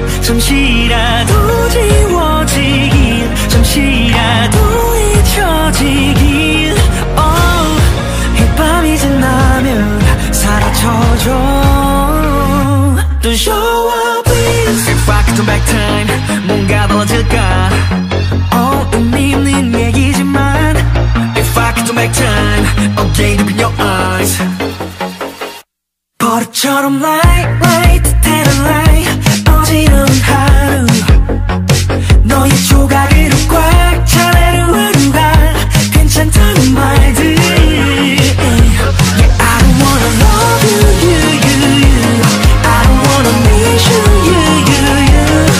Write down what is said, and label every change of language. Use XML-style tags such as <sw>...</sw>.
<ko>잠시라도 지워지길, 잠시라도 잊혀지길. Oh, 이 밤이 지나면 사라져줘.</ko> <en>Don't show up, please. If I could turn back time,</en> <ko>뭔가 달라질까? Oh, 이미 있는 얘기지만.</ko> <en>If I could turn back time, I'll gain up in your eyes.</en> <ko>버릇처럼</ko> <en>light, light, tell a light.</en> <ko>어지러운 하루 너의 조각으로 꽉 찬 하루하루가 괜찮다는 말들.</ko> <en>Yeah, I don't wanna love you, you, you, you. I don't wanna miss you, you, you, you.</en>